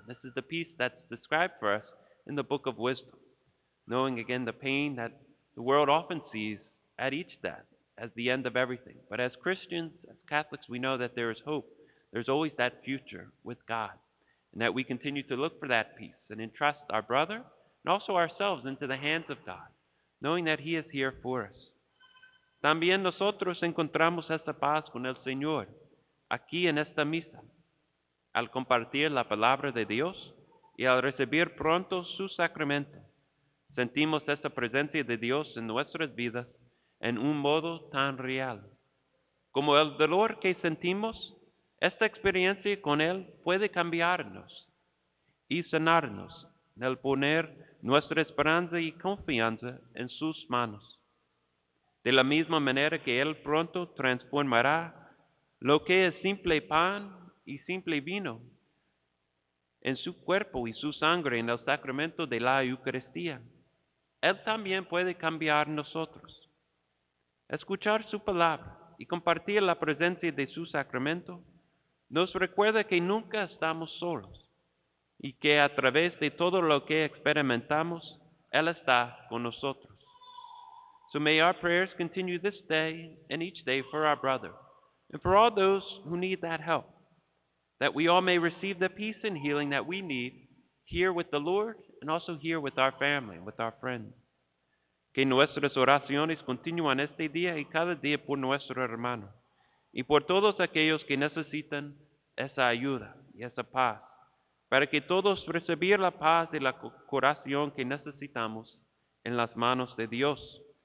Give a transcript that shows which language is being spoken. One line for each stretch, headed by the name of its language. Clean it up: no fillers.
English: This is the peace that's described for us in the Book of Wisdom, knowing again the pain that the world often sees at each death as the end of everything. But as Christians, as Catholics, we know that there is hope. There's always that future with God, and that we continue to look for that peace and entrust our brother and also ourselves into the hands of God, knowing that he is here for us.
Spanish: También nosotros encontramos esta paz con el Señor aquí en esta misa, al compartir la palabra de Dios y al recibir pronto su sacramento. Sentimos esta presencia de Dios en nuestras vidas en un modo tan real. Como el dolor que sentimos, esta experiencia con Él puede cambiarnos y sanarnos en el poner nuestra esperanza y confianza en sus manos. De la misma manera que Él pronto transformará lo que es simple pan y simple vino en su cuerpo y su sangre en el sacramento de la Eucaristía, Él también puede cambiar nosotros. Escuchar su palabra y compartir la presencia de su sacramento nos recuerda que nunca estamos solos y que a través de todo lo que experimentamos, Él está con nosotros.
English: So may our prayers continue this day and each day for our brother and for all those who need that help, that we all may receive the peace and healing that we need here with the Lord and also here with our family, with our friends.
Spanish: Que nuestras oraciones continúen este día y cada día por nuestro hermano y por todos aquellos que necesitan esa ayuda y esa paz, para que todos recibir la paz de la curación que necesitamos en las manos de Dios.